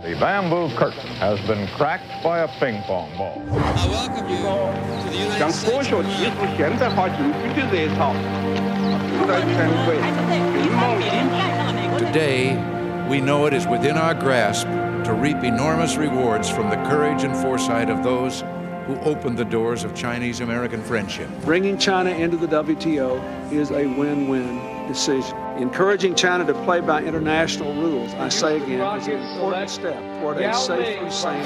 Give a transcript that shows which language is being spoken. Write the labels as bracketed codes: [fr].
[en] The bamboo curtain has been cracked by a ping pong ball. I welcome you to the United States. [zh] 像科学技术现代化进军的热潮，在全国兴旺起来。 [en] Today, we know it is within our grasp to reap enormous rewards from the courage and foresight of those. Who opened the doors of Chinese-American friendship? Bringing China into the WTO is a win-win decision. Encouraging China to play by international rules, I say again, is an important step toward a safe, sane